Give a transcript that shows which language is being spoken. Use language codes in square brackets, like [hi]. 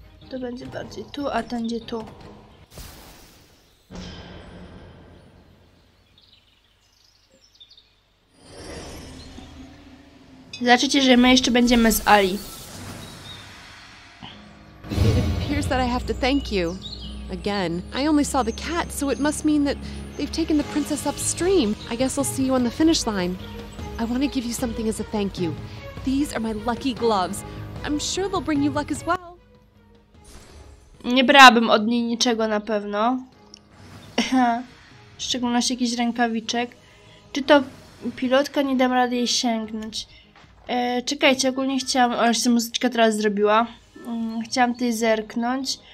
[pl] To będzie bardziej tu, a ten gdzie tu. Zobaczycie, że my jeszcze będziemy z Ali. [en] It appears that I have to thank you. Again. I only saw the cat, so it must mean that they've taken the princess upstream. I guess I'll see you on the finish line. I want to give you something as a thank you. These are my lucky gloves. I'm sure they'll bring you luck as well. [pl] Nie brałabym od niej niczego na pewno. W szczególności jakiś rękawiczek. Czy to pilotka, nie dam rady jej sięgnąć. Czekajcie, ogólnie chciałam... O, już się muzyczka teraz zrobiła. Chciałam tutaj zerknąć.